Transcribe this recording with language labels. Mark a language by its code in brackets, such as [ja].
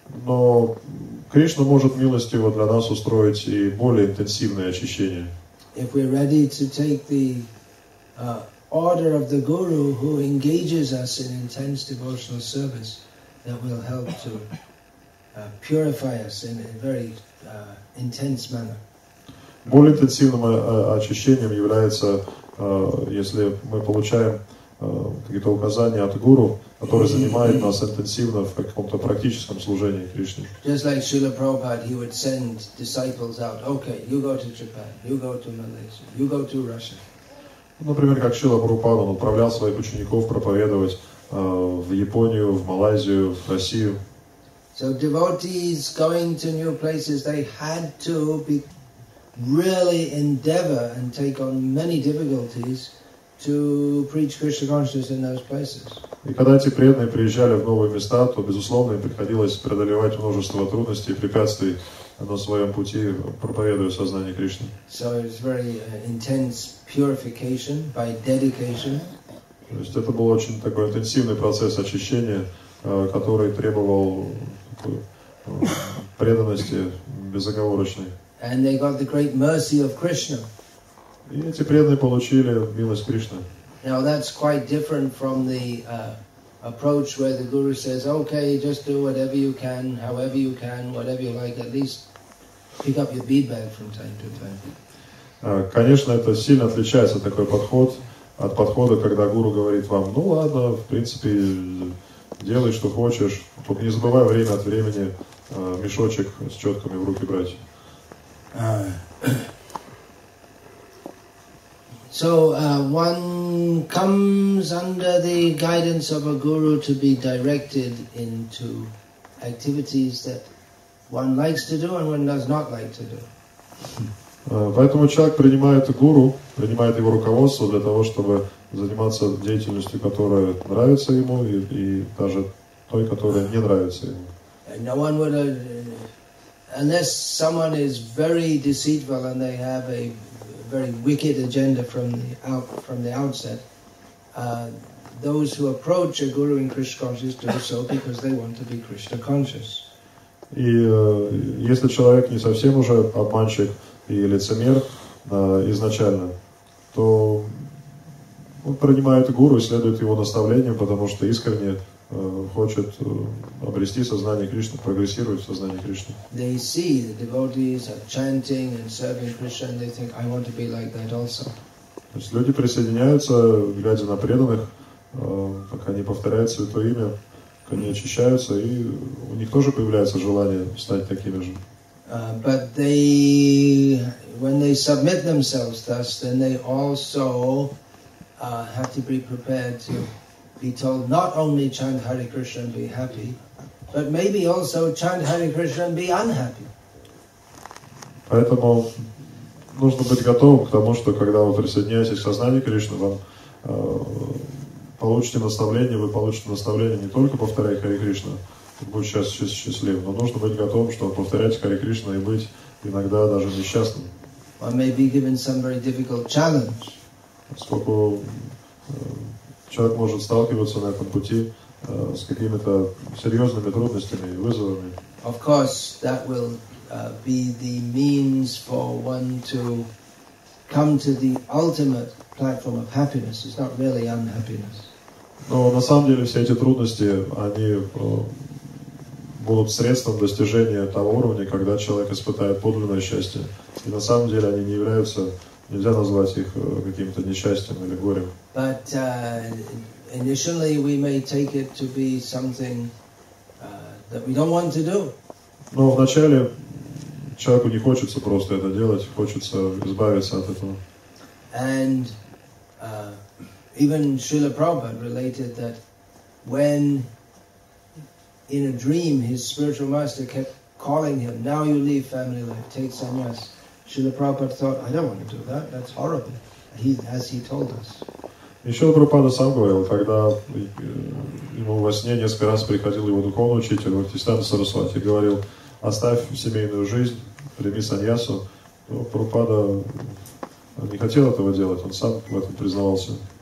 [ru] Но Кришна может милостиво для нас устроить и более интенсивное очищение. [en] If we're ready to take the order of the Guru who engages us in intense devotional service, that will help to purify us in a very intense manner. [ru] Более интенсивным очищением является, если мы получаем какие-то указания от гуру, который занимает нас интенсивно в каком-то практическом служении Кришне. [en] Just like Srila Prabhupada, he would send disciples out. Okay, you go to Japan, you go to Malaysia, you go to Russia. [ru] Например, как Шрила Прабхупада, он отправлял своих учеников проповедовать в Японию, в Малайзию, в Россию. [en] So devotees going to new places, they had to be really endeavor and take on many difficulties to preach Krishna consciousness in those places. [ru] И когда эти преданные приезжали в новые места, то безусловно им приходилось преодолевать множество трудностей и препятствий на своем пути, проповедуя сознание Кришны. [en] So it's very intense purification by dedication. [ru] То есть это был очень такой интенсивный процесс очищения, который требовал такой преданности безоговорочной. [en] And they got the great mercy of Krishna. [ru] И эти преданные получили милость Кришны. [en] Now that's quite different from the approach where the Guru says, okay, just do whatever you can, however you can, whatever you like, at least pick up your bead bag from time to time. [ru] Конечно, это сильно отличается такой подход от подхода, когда Гуру говорит вам, ну ладно, в принципе, делай, что хочешь, только не забывай время от времени мешочек с четками в руки брать. [en] So one comes under the guidance of a guru to be directed into activities that one likes to do and one does not like to do. [ru] Поэтому человек принимает гуру, принимает его руководство для того, чтобы заниматься деятельностью, которая нравится ему, и даже той, которая не нравится ему. [en] And no one would unless someone is very deceitful and they have a very wicked agenda from the outset, those who approach a guru in Krishna consciousness do so because they want to be Krishna conscious. [ru] И если человек не совсем уже обманщик и лицемер изначально, то он принимает гуру и следует его наставлениям, потому что искренне хочет обрести сознание Кришны, прогрессировать в сознании Кришны. [en] They see the devotees are chanting and serving Krishna, and they think, I want to be like that also. [ru] То есть люди присоединяются, глядя на преданных, пока они повторяют святое имя, они очищаются, и у них тоже появляется желание стать такими же. [en] But they, when they submit themselves thus, then they also have to be prepared to be told not only chant Hare Krishna and be happy, but maybe also chant Hare Krishna and be unhappy. [ru] Поэтому нужно быть готовым к тому, что когда вы присоединяетесь к сознанию Кришны, вам вы получите наставление не только повторяя Хари Кришна, будь сейчас счастлив, но нужно быть готовым, что повторять Хари Кришна и быть иногда даже несчастным. [en] Or maybe given some very difficult challenge. [ru] Поскольку человек может сталкиваться на этом пути с какими-то серьезными трудностями и вызовами. [en] Of course, that will be the means for one to come to the ultimate platform of happiness. It's not really unhappiness. [ru] Но на самом деле все эти трудности, они будут средством достижения того уровня, когда человек испытает подлинное счастье. И на самом деле они не являются, нельзя назвать их каким-то несчастьем или горем. [en] But initially we may take it to be something that we don't want to do. [ru] Но вначале человеку не хочется просто это делать, хочется избавиться от этого. [en] And even Srila Prabhupada related that when in a dream his spiritual master kept calling him, now you leave family life, take sannyas. Srila Prabhupada thought, I don't want to do that, that's horrible. As he told us. [ru] Еще Прабхупада сам говорил, когда ему во сне несколько раз приходил его духовный учитель, Бхактисиддханта Сарасвати, говорил, оставь семейную жизнь, прими саньясу. Но Прабхупада не хотел этого делать, он сам в этом признавался.